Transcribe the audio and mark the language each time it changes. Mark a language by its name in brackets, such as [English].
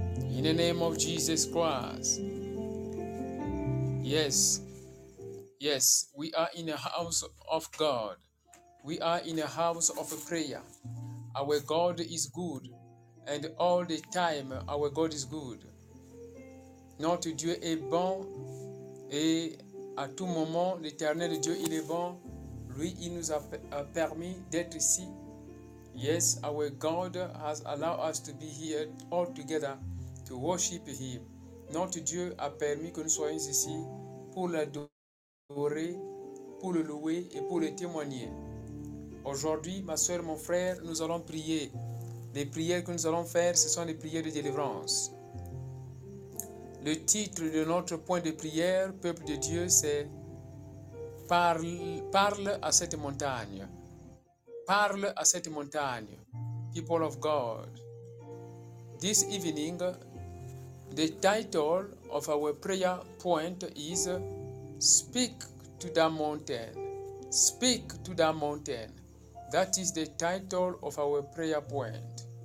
[English] In the name of Jesus Christ. Yes. Yes. We are in a house of God. We are in a house of prayer. Our God is good. And all the time, our God is good. [French] Notre Dieu est bon. Et à tout moment, l'Éternel Dieu, il est bon. Lui, il nous a permis d'être ici. [English] Yes, our God has allowed us to be here all together to worship him. [French] Notre Dieu a permis que nous soyons ici pour l'adorer, pour le louer et pour le témoigner. Aujourd'hui, ma soeur, mon frère, nous allons prier. Les prières que nous allons faire, ce sont les prières de délivrance. Le titre de notre point de prière, peuple de Dieu, c'est parle à cette montagne. Parle à cette montagne, [English] people of God. This evening, the title of our prayer point is Speak to the mountain. Speak to the mountain. That is the title of our prayer point.